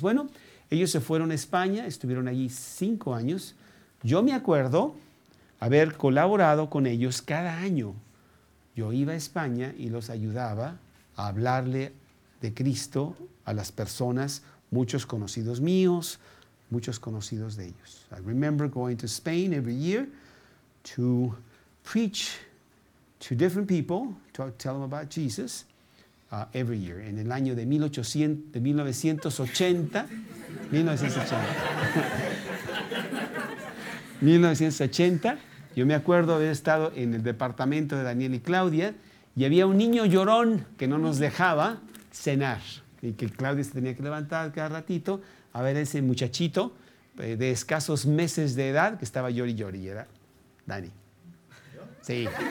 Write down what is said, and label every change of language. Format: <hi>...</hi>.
<es>Bueno, ellos se fueron a España, estuvieron allí 5 años. Yo me acuerdo haber colaborado con ellos cada año. Yo iba a España y los ayudaba a hablarle de Cristo a las personas, muchos conocidos míos, muchos conocidos de ellos.</es> <en>I remember going to Spain every year to preach to different people, to tell them about Jesus every year.</en> <es>En el año de 1980, yo me acuerdo haber estado en el departamento de Daniel y Claudia y había un niño llorón que no nos dejaba cenar y que Claudia se tenía que levantar cada ratito a ver a ese muchachito de escasos meses de edad que estaba llori llori, era Dani. ¿Yo? Sí.</es>